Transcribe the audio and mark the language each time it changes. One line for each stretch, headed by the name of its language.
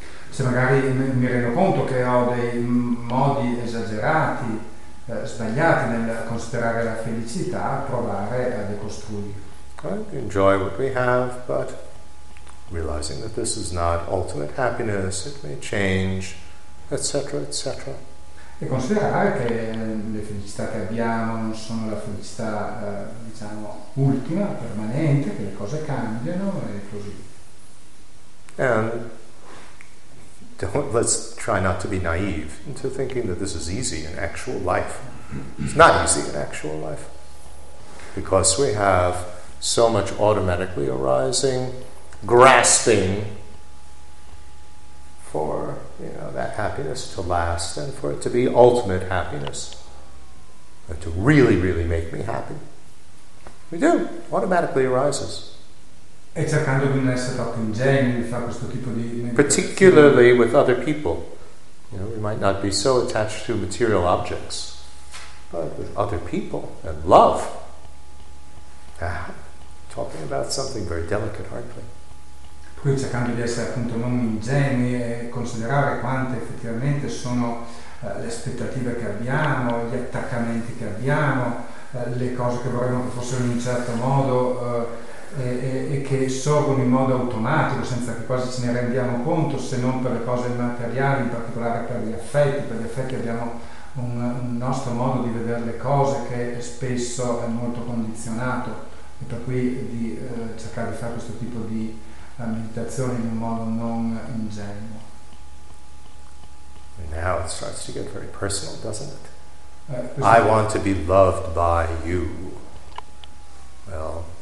Italian: Se magari mi rendo conto che ho dei modi esagerati, sbagliati nel considerare la felicità, provare a decostruire.
English: Right, enjoy what we have, but realizing that this is not ultimate happiness, it may change, etc., etc.
Italian: E considerare che le felicità che abbiamo non sono la felicità, diciamo, ultima, permanente, che le cose cambiano e così.
English: And don't, let's try not to be naive into thinking that this is easy in actual life. It's not easy in actual life, because we have so much automatically arising grasping for, you know, that happiness to last and for it to be ultimate happiness and to really, really make me happy. We do, automatically arises.
Italian: E cercando di non essere troppo ingenui di fare questo tipo di...
English: Particularly with other people. You know, we might not be so attached to material objects, but with other people and love. Ah, talking about something very delicate, hardly.
Italian: Poi cercando di essere appunto non ingenui e considerare quante effettivamente sono le aspettative che abbiamo, gli attaccamenti che abbiamo, le cose che vorremmo che fossero in un certo modo... E che sorgono in modo automatico senza che quasi ce ne rendiamo conto, se non per le cose materiali, in particolare per gli affetti. Per gli affetti abbiamo un nostro modo di vedere le cose che spesso è molto condizionato, e per cui di cercare di fare questo tipo di meditazione in un modo non ingenuo.
English: Now it starts to get very personal, doesn't it? I want to be loved by you. Well,